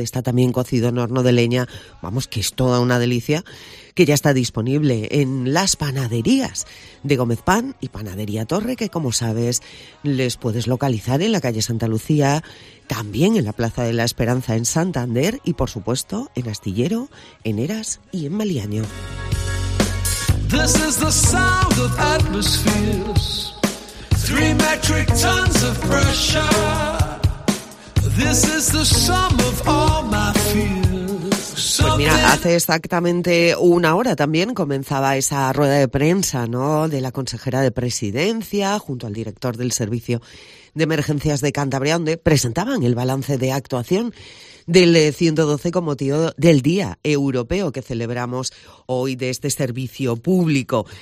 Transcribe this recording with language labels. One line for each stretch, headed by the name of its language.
Spanish: Está también cocido en horno de leña, vamos, que es toda una delicia, que ya está disponible en las panaderías de Gómez Pan y Panadería Torre, que, como sabes, les puedes localizar en la calle Santa Lucía, también en la Plaza de la Esperanza en Santander y, por supuesto, en Astillero, en Eras y en Maliaño.
English: This is the sound of atmospheres, 3 metric tons of pressure. This is the sum of all my fears.
Spanish: Pues mira, hace exactamente una hora también comenzaba esa rueda de prensa, ¿no?, de la consejera de Presidencia junto al director del Servicio de Emergencias de Cantabria, donde presentaban el balance de actuación del 112 con motivo del Día Europeo que celebramos hoy de este servicio público.